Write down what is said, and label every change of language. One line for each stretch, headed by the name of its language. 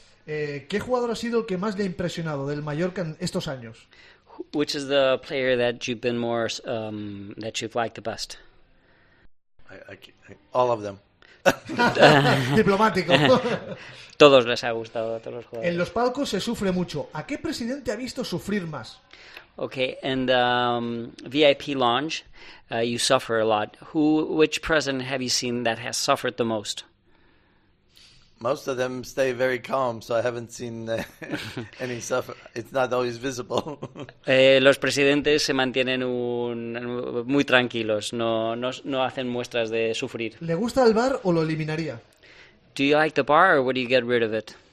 Spanish: ¿Qué jugador ha sido el que más le ha impresionado del Mallorca en estos años?
English: Which is the player that you've been more that you've liked the best? All of them.
Spanish: Diplomático. Todos les ha gustado a todos los jugadores. En los palcos se sufre mucho. ¿A qué presidente ha visto sufrir más?
English: Okay, in the VIP lounge, you suffer a lot. Which president have you seen that has suffered the most? Most of them stay very calm, so I haven't seen any suffer. It's not always visible.
Spanish: Los presidentes se mantienen muy tranquilos, no hacen muestras de sufrir. ¿Le gusta el bar o lo eliminaría?
English: Do you like the bar or would you get rid of it?